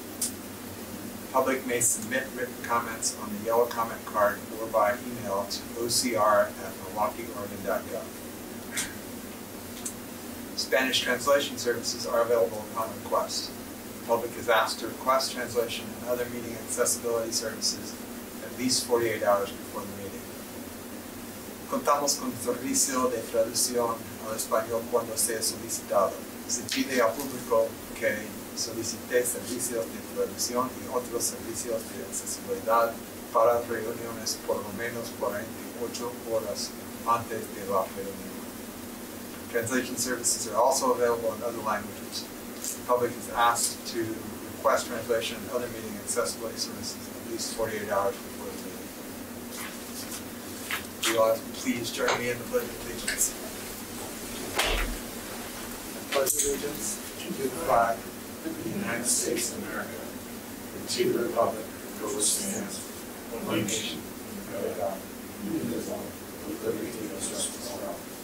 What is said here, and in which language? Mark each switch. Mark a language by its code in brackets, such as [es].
[en] The public may submit written comments on the yellow comment card or by email to OCR@MilwaukieOregon.gov. Spanish translation services are available upon request. The public is asked to request translation and other meeting accessibility services at least 48 hours before the meeting. [es] Contamos con servicio de traducción al español cuando sea solicitado. Se pide al público que solicite servicios de traducción y otros servicios de accesibilidad para reuniones por lo menos 48 horas antes de la reunión. [en] Translation services are also available in other languages. The public is asked to request translation and other meeting accessibility services at least 48 hours before the meeting. Would you all please join me in the Pledge of Allegiance? I pledge allegiance to the flag of the United States of America and to the Republic for which it stands, one nation, under God, indivisible, with liberty and justice for all.